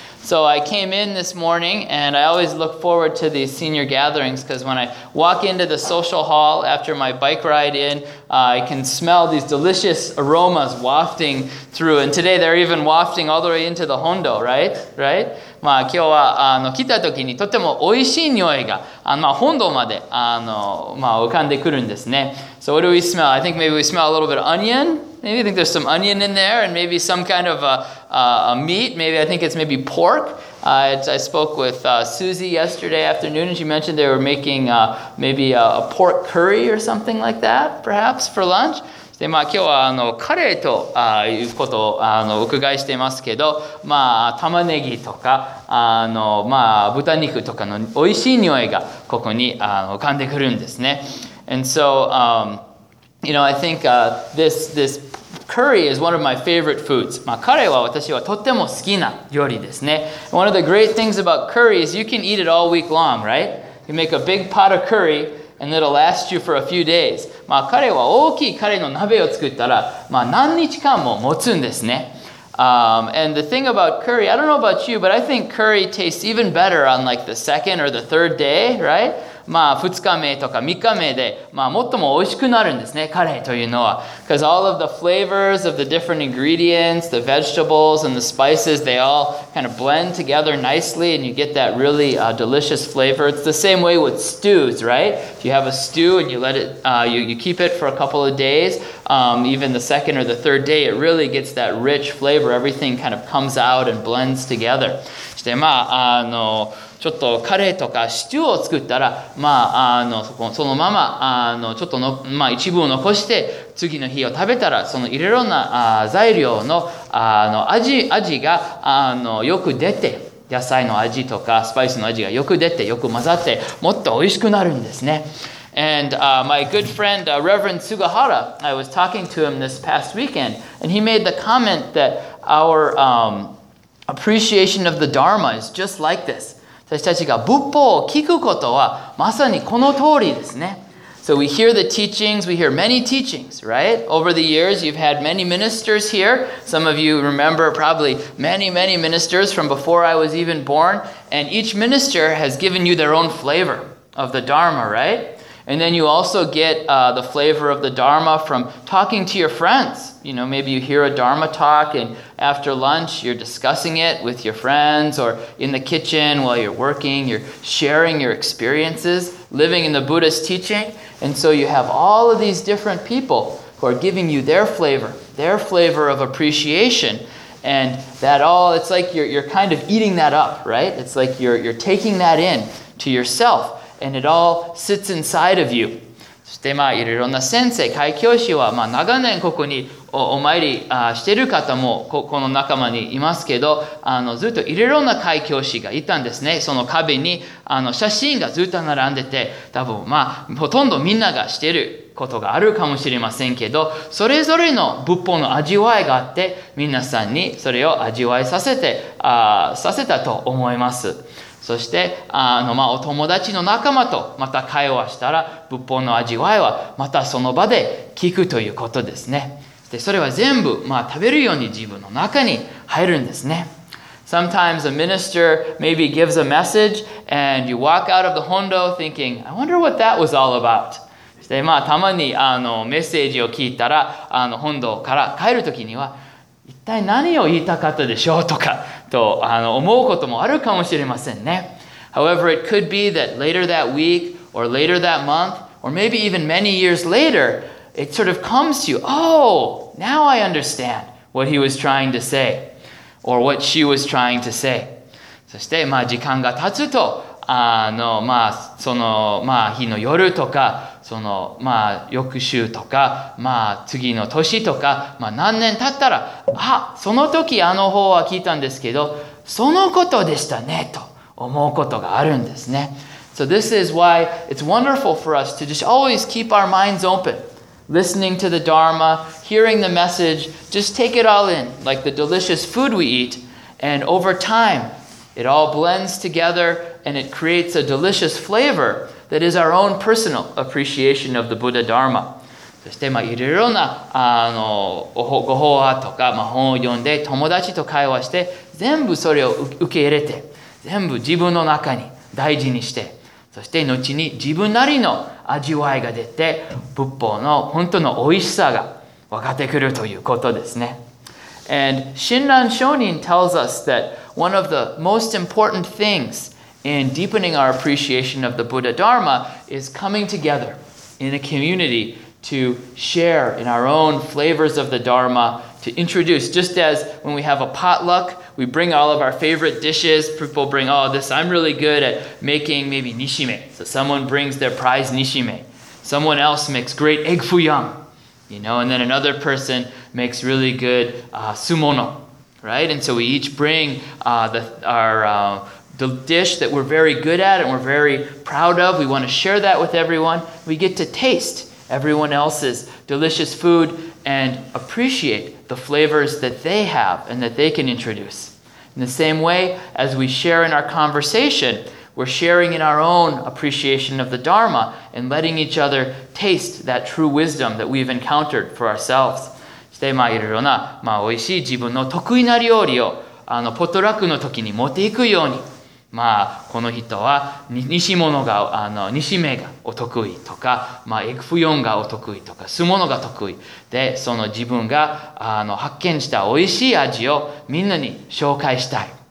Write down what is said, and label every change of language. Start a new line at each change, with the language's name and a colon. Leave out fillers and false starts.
English: So I came in this morning, and I always look forward to these senior gatherings because when I walk into the social hall after my bike ride in, I can smell these delicious aromas wafting through. And today they're even wafting all the way into the hondo, right? Right?
Japanese: まあ今日はあの来た時にとても美味しい匂いがあのまあ本堂まであのまあ浮かんでくるんですね。
English: So what do we smell? I think maybe we smell a little bit of onion. Maybe I think there's some onion in there and maybe some kind of a meat. Maybe I think it's maybe pork. I spoke with Susie yesterday afternoon and she mentioned they were making maybe a pork curry or something like that, perhaps for lunch.
Japanese: でまあ今日はあのカレーとあーいうことをあのお伺いしていますけど、まあ玉ねぎとかあのまあ豚肉とかの美味しい匂いがここにあの浮かんでくるんですね。
English: And so, you know, I think this curry is one of my favorite foods.
Japanese: まあカレーは私はとっても好きな料理ですね。
English: One of the great things about curry is you can eat it all week long, right? You make a big pot of curry. And it'll last you for a few days.
Japanese: まあ彼は大きいカレーの鍋を作ったら、まあ何日間も持つんですね。
English: And the thing about curry, I don't know about you, but I think curry tastes even better on like the second or the third day, right?
Japanese: まあ二日目とか三日目で、まあ最も美味しくなるんですね、カレーというのは。
English: Because all of the flavors of the different ingredients, the vegetables and the spices, they all kind of blend together nicely and you get that really delicious flavor. It's the same way with stews, right? If you have a stew and you let it, you keep it for a couple of days, even the second or the third day, it really gets that rich flavor. Everything kind of comes out and blends together.
Japanese: そしてまあ、あの、ちょっとカレーとかシチューを作ったら、まあ、あの、そのまま、あの、ちょっとの、まあ、一部を残して、次の日を食べたら、そのいろいろな、材料の、あの、味が、あの、よく出て、野菜の味とか、スパイスの味がよく出て、よく混ざって、もっと美味しくなるんですね。
English: And, my good friend, Reverend Sugahara, I was talking to him this past weekend, and he made the comment that our, appreciation of the Dharma is just like this.
Japanese: 私たちが仏法を聞くことはまさにこの通りですね。
English: So we hear the teachings, we hear many teachings, right? Over the years, you've had many ministers here. Some of you remember probably many, many ministers from before I was even born. And each minister has given you their own flavor of the Dharma, right? And then you also get the flavor of the Dharma from talking to your friends. You know, maybe you hear a Dharma talk and after lunch you're discussing it with your friends, or in the kitchen while you're working, you're sharing your experiences, living in the Buddha's teaching. And so you have all of these different people who are giving you their flavor of appreciation. And that all, it's like you're kind of eating that up, right? It's like you're taking that in to yourself. And it all sits inside of you.
Japanese: そしてまあいろいろな先生、開教師はまあ長年ここにお参りしている方もこの仲間にいますけど、ずっといろいろな開教師がいたんですね。その壁に写真がずっと並んでて、多分まあほとんどみんながしていることがあるかもしれませんけど、それぞれの仏法の味わいがあって、皆さんにそれを味わいさせて、させたと思います。そしてまあ、お友達の仲間とまた会話したら、仏法の味わいはまたその場で聞くということですね。でそれは全部、まあ、食べるように自分の中に入るんですね。
English: Sometimes a minister maybe gives a message and you walk out of the hondo thinking, I wonder what that was all about.
Japanese: で、まあ、たまにメッセージを聞いたら本堂から帰るときには、一体何を言いたかったでしょうとか、と思うこともあるかもしれませんね。
English: However, it could be that later that week, or later that month, or maybe even many years later, it sort of comes to you, oh, now I understand what he was trying to say, or what she was trying to say.
Japanese: そして、まあ、時間が経つと、まあ、その、まあ、日の夜とか、その、まあ、翌週とか、まあ、次の年とか、まあ、何年経ったら、あ、その時方は聞いたんですけど、そのことでしたね、と思うことがあるんですね。
English: So this is why it's wonderful for us to just always keep our minds open, listening to the Dharma, hearing the message, just take it all in, like the delicious food we eat, and over time, it all blends together, and it creates a delicious flavor,That is our own personal appreciation of the Buddha Dharma.
Japanese: そして、まあ、いろいろな、ご法話とか、まあ、本を読んで、友達と会話して、全部それを受け入れて、全部自分の中に大事にして、そして、後に自分なりの味わいが出て、仏法の本当の美味しさが分かってくるということですね。
English: And Shinran Shonin tells us that one of the most important things in deepening our appreciation of the Buddha Dharma is coming together in a community to share in our own flavors of the Dharma, to introduce, just as when we have a potluck, we bring all of our favorite dishes, people bring, oh, this, I'm really good at making maybe nishime. So someone brings their prize nishime. Someone else makes great egg fuyam, you know, and then another person makes really good sumono, right? And so we each bring the dish that we're very good at and we're very proud of. We want to share that with everyone. We get to taste everyone else's delicious food and appreciate the flavors that they have and that they can introduce. In the same way, as we share in our conversation, we're sharing in our own appreciation of the Dharma and letting each other taste that true wisdom that we've encountered for ourselves.
Japanese: して、まあ、いろいろな、まあ、おいしい自分の得意な料理をポトラックの時に持っていくようにまあ、この人は、西物が、西目がお得意とか、まあ、エクフヨンがお得意とか、酢物が得意。で、その自分が、発見した美味しい味をみんなに紹介したい。